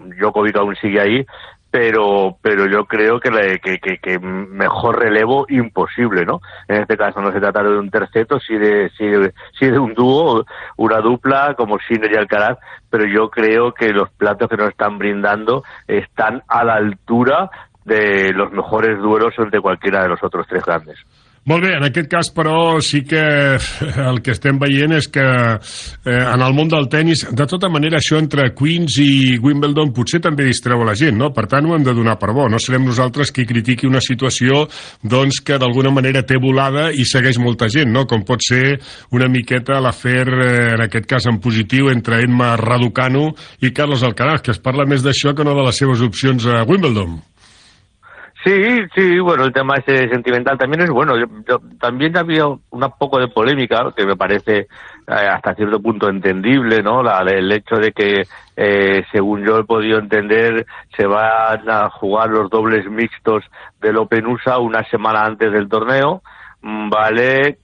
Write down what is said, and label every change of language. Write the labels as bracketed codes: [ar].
[es] Djokovic aún sigue ahí, pero yo creo que mejor relevo imposible, ¿no? En este caso no se trata de un terceto, sí de un dúo, una dupla como Sinner y Alcaraz, pero yo creo que los platos que nos están brindando están a la altura de los mejores duelos entre cualquiera de los otros tres grandes. [ca] Molt bé, en aquest cas, però, sí que el que estem veient és que en el món del tennis, de tota manera, això entre Queens i Wimbledon potser també distreu la gent, no? Per tant, ho hem de donar per bo. No serem nosaltres qui critiqui una situació, doncs, que d'alguna manera té volada i segueix molta gent, no? Com pot ser una miqueta l'afer, en aquest cas, en positiu, entre Emma Raducanu i Carlos Alcaraz, que es parla més d'això que no de les seves opcions a Wimbledon. [es] Sí, sí, bueno, el tema ese sentimental también es bueno. Yo, también había un poco de polémica, que me parece hasta cierto punto entendible, ¿no? El hecho de que, según yo he podido entender, se van a jugar los dobles mixtos del Open USA una semana antes del torneo, ¿vale?